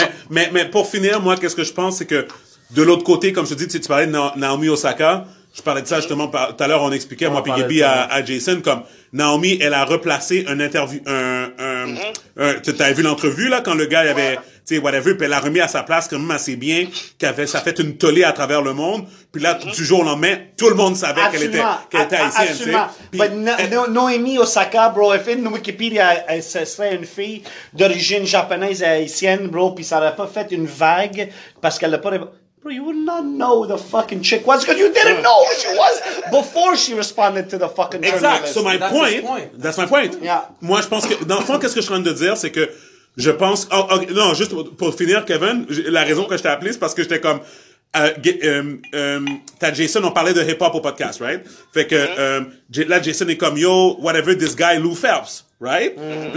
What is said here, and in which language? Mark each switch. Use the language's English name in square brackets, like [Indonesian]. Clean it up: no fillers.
[French] Mais pour finir, moi, qu'est-ce que je pense, c'est que de l'autre côté, comme je te dis, tu parlais de Naomi Osaka, je parlais de ça justement tout à l'heure, on expliquait, moi, Piggy B à Jason, comme Naomi, elle a replacé une interview, t'avais vu l'entrevue, là, quand le gars, il avait, tu sais, whatever, puis elle a remis à sa place quand même assez bien, ça fait une tollée à travers le monde, puis là, du jour au lendemain, tout le monde savait absolument qu'elle était haïtienne, tu sais. Naomi Osaka, bro, elle fait une Wikipédia, ce serait une fille d'origine japonaise et haïtienne, bro, puis ça aurait pas fait une vague, parce qu'elle n'a pas... [English] Bro, you would not know who the fucking chick was because you didn't know who she was before she responded to the fucking journalist. Exact. So my that's my point. Yeah. [French] Moi, je pense que, dans le fond, qu'est-ce que je suis en train de dire, c'est que je pense... Non, juste pour finir, Kevin, la raison que je t'ai appelé, c'est parce que j'étais comme... t'as Jason, on parlait de hip-hop au podcast, right? Fait que là, Jason est comme, yo, [English] whatever, this guy, [French] Lou Phelps, right? Mm-hmm.